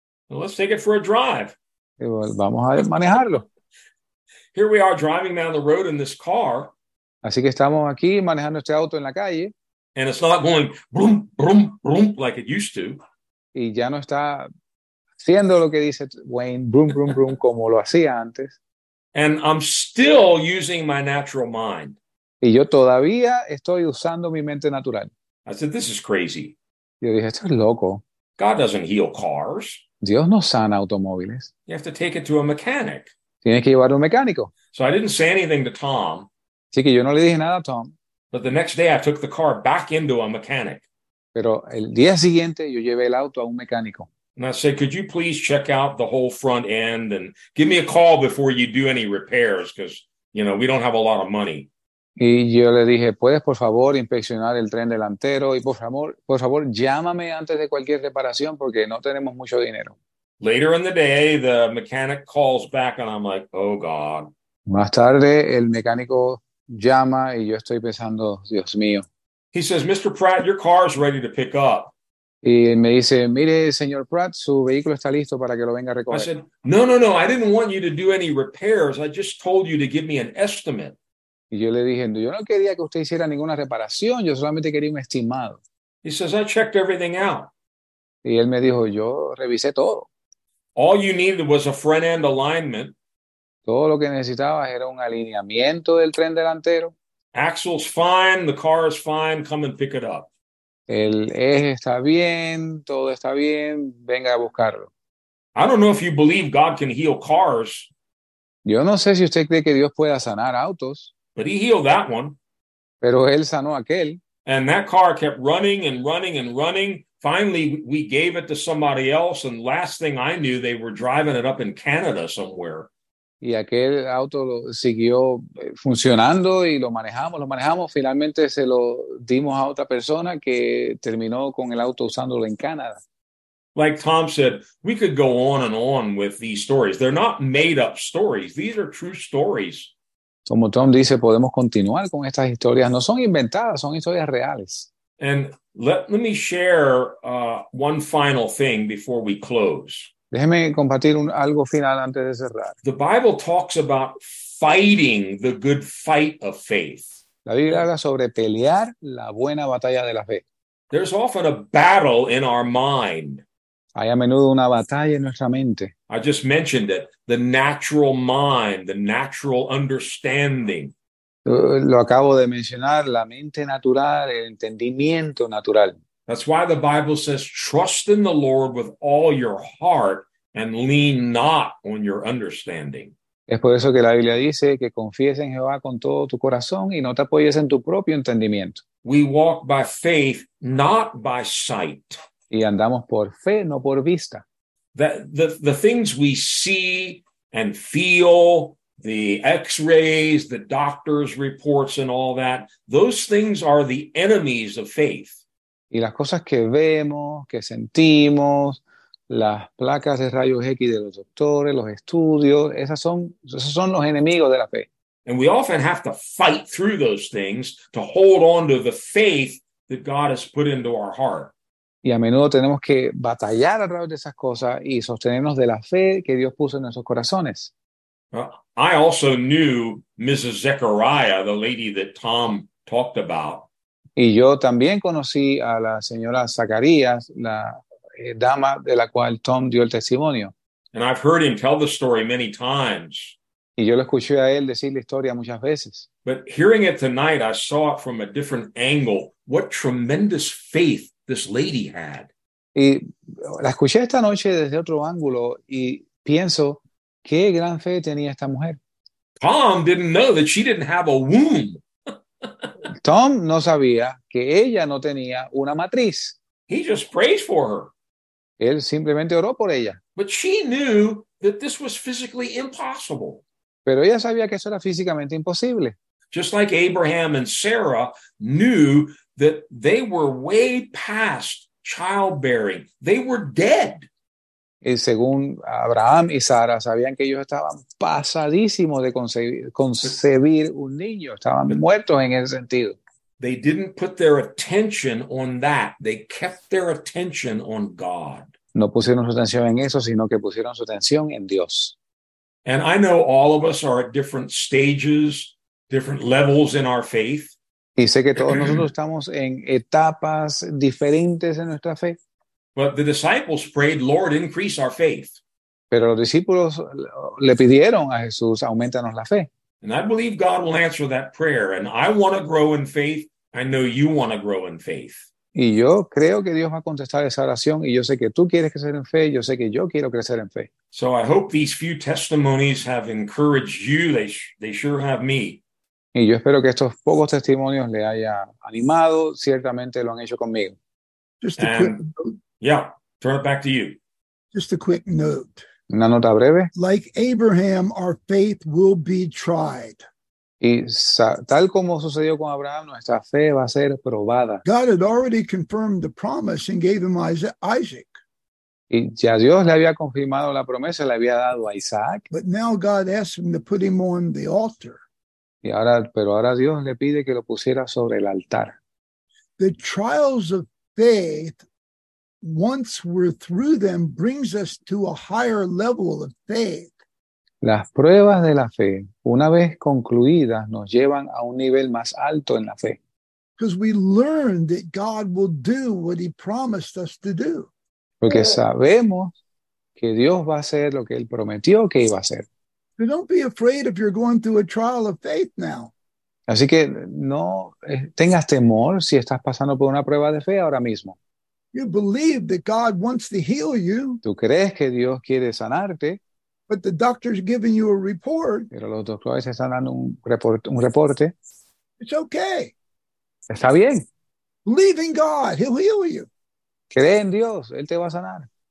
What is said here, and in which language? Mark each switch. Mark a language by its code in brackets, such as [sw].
[en] Well, let's take it for a drive. [es] Y bueno, vamos a manejarlo. [en] Here we are driving down the road in this car. [es] Así que estamos aquí manejando este auto en la calle. [en] And it's not going brum, brum, brum like it used to. [es] Y ya no está haciendo lo que dice Wayne, brum, brum, brum, como lo hacía antes. [en] And I'm still using my natural mind. [es] Y yo todavía estoy usando mi mente natural. [en] I said, this is crazy. [es] Yo dije, esto es loco. [en] God doesn't heal cars. [es] Dios no sana automóviles. [en] You have to take it to a mechanic. [es] Tienes que llevarlo a un mecánico. [en] So I didn't say anything to Tom. [es] Así que yo no le dije nada a Tom. [en] But the next day I took the car back into a mechanic. [es] Pero el día siguiente yo llevé el auto a un mecánico. [en] And I said, could you please check out the whole front end and give me a call before you do any repairs because, you know, we don't have a lot of money. [es] Y yo le dije, ¿puedes por favor inspeccionar el tren delantero? Y por favor, llámame antes de cualquier reparación porque no tenemos mucho dinero. [en] Later in the day, the mechanic calls back and I'm like, oh God. [es] Más tarde, el mecánico llama y yo estoy pensando, Dios mío. [en] He says, Mr. Pratt, your car is ready to pick up. [es] Y me dice, mire, señor Pratt, su vehículo está listo para que lo venga a recoger. [en] I said, no, I didn't want you to do any repairs. I just told you to give me an estimate. [es] Y yo le dije, yo no quería que usted hiciera ninguna reparación, yo solamente quería un estimado. [en] He says, I checked everything out. [es] Y él me dijo, yo revisé todo. [en] All you needed was a front end alignment. [es] Todo lo que necesitaba era un alineamiento del tren delantero. [en] Axle's fine, the car is fine, come and pick it up. [es] El eje está bien, todo está bien, venga a buscarlo. [en] I don't know if you believe God can heal cars. [es] Yo no sé si usted cree que Dios pueda sanar autos. [en] But he healed that one. [es] Pero él sanó aquel. [en] And that car kept running and running and running. Finally, we gave it to somebody else. And last thing I knew, they were driving it up in Canada somewhere. [es] Y aquel auto siguió funcionando y lo manejamos. Finalmente se lo dimos a otra persona que terminó con el auto usándolo en Canadá. [en] Like Tom said, we could go on and on with these stories. They're not made up stories. These are true stories. [es] Como Tom dice, podemos continuar con estas historias. No son inventadas, son historias reales. [en] And let me share one final thing before we close. [es] Déjeme compartir algo final antes de cerrar. [en] The Bible talks about fighting the good fight of faith. [es] La Biblia habla sobre pelear la buena batalla de la fe. [en] There's often a battle in our mind. [es] Hay a menudo una batalla en nuestra mente. [en] I just mentioned it, the natural mind, the natural understanding. [es] Lo acabo de mencionar, la mente natural, el entendimiento natural. [en] That's why the Bible says, trust in the Lord with all your heart and lean not on your understanding. [es] Es por eso que la Biblia dice que confíes en Jehová con todo tu corazón y no te apoyes en tu propio entendimiento. [en] We walk by faith, not by sight. [es] Y andamos por fe, no por vista. [en] The things we see and feel, the x-rays, the doctor's reports and all that, those things are the enemies of faith. [es] Y las cosas que vemos, que sentimos, las placas de rayos X de los doctores, los estudios, esos son los enemigos de la fe. [en] And we often have to fight through those things to hold on to the faith that God has put into our heart. [es] Y a menudo tenemos que batallar a través de esas cosas y sostenernos de la fe que Dios puso en nuestros corazones. [en] I also knew Mrs. Zechariah, the lady that Tom talked about. [es] Y yo también conocí a la señora Zacarías, la dama de la cual Tom dio el testimonio. [en] And I've heard him tell the story many times. [es] Y yo lo escuché a él decir la historia muchas veces. [en] But hearing it tonight, I saw it from a different angle. What tremendous faith this lady had. [es] Y la escuché esta noche desde otro ángulo y pienso, qué gran fe tenía esta mujer. [en] Tom didn't know that she didn't have a womb. [es] Tom no sabía que ella no tenía una matriz. [en] He just prayed for her. [es] Él simplemente oró por ella. [en] But she knew that this was physically impossible. [es] Pero ella sabía que eso era físicamente imposible. [en] Just like Abraham and Sarah knew that they were way past childbearing. They were dead. [es] Y según Abraham y Sara, sabían que ellos estaban pasadísimos de concebir un niño. Estaban muertos en ese sentido. [en] They didn't put their attention on that. They kept their attention on God. [es] No pusieron su atención en eso, sino que pusieron su atención en Dios. [en] And I know all of us are at different stages, different levels in our faith. [es] Y sé que todos nosotros estamos en etapas diferentes en nuestra fe. [en] But the disciples prayed, Lord, increase our faith. [es] Pero los discípulos le pidieron a Jesús, auméntanos la fe. [en] And I believe God will answer that prayer. And I want to grow in faith. I know you want to grow in faith. [es] Y yo creo que Dios va a contestar esa oración. Y yo sé que tú quieres crecer en fe. Yo sé que yo quiero crecer en fe. [en] So I hope these few testimonies have encouraged you. They sure have me. [es] Y yo espero que estos pocos testimonios le haya animado. Ciertamente lo han hecho conmigo. [en] Just a quick note. Yeah, turn it back to you. Just a quick note. [es] Una nota breve. [en] Like Abraham, our faith will be tried. [es] Y tal como sucedió con Abraham, nuestra fe va a ser probada. [en] God had already confirmed the promise and gave him Isaac. [es] Y ya Dios le había confirmado la promesa, le había dado a Isaac. [en] But now God asked him to put him on the altar. [es] Y ahora, pero ahora Dios le pide que lo pusiera sobre el altar. [en] The trials of faith, once we're through them, brings us to a higher level of faith. [es] Las pruebas de la fe, una vez concluidas, nos llevan a un nivel más alto en la fe. [en] Because we learn that God will do what he promised us to do. [es] Porque sabemos que Dios va a hacer lo que él prometió que iba a hacer. [en] So don't be afraid if you're going through a trial of faith now. [es] Así que no tengas temor si estás pasando por una prueba de fe ahora mismo. [en] You believe that God wants to heal you. [es] Tú crees que Dios quiere sanarte. [en] But the doctor's giving you a report. [es] Pero los doctores están dando un reporte. [en] It's okay. [es] Está bien. [en] Believe in God, he'll heal you. [es] Cree en Dios, él te va a sanar.